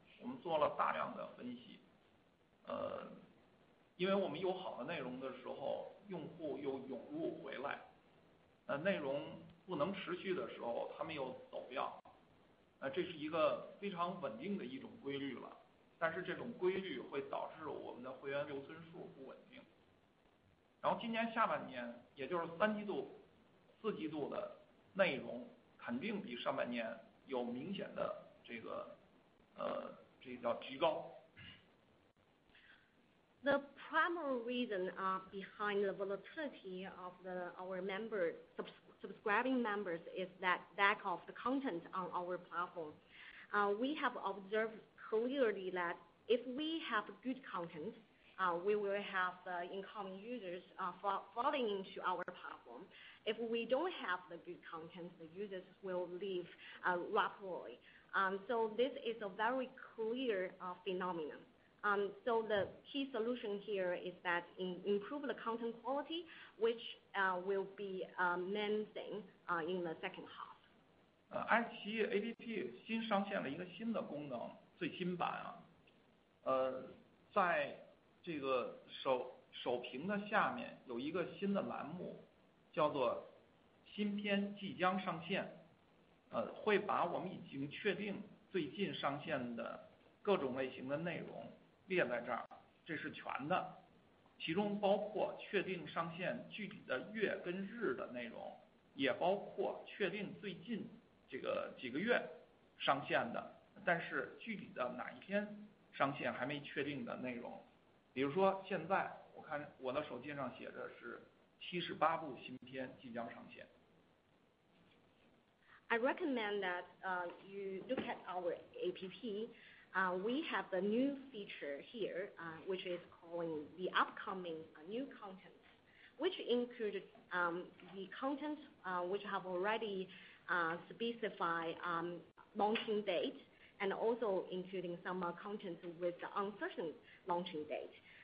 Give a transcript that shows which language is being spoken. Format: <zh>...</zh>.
<zh>我们做了大量的分析，因为我们有好的内容的时候，用户又涌入回来，内容不能持续的时候，他们又走掉，这是一个非常稳定的一种规律了。但是这种规律会导致我们的会员留存数不稳定。然后今年下半年，也就是三季度、四季度的内容，肯定比上半年有明显的这个，</zh> <en>The primary reason behind the volatility of our members, subscribing members, is that lack of the content on our platform. We have observed clearly that if we have good content, we will have the incoming users falling into our platform. If we don't have the good content, the users will leave rapidly. So this is a very clear phenomenon. So the key solution here is that improve the content quality, which will be a main thing in the second half.</en> <zh>IQIYI APP 新上线了一个新的功能，最新版啊，在这个首屏的下面有一个新的栏目，叫做新片即将上线。会把我们已经确定最近上线的各种类型的内容列在这儿，这是全的，其中包括确定上线具体的月跟日的内容，也包括确定最近这个几个月上线的，但是具体的哪一天上线还没确定的内容，比如说现在我看我的手机上写着是78部新片即将上线。</zh> <en>I recommend that you look at our APP. We have a new feature here, which is calling the upcoming new content, which includes the content which have already specified launching date, and also including some content with the uncertain launching date.</en>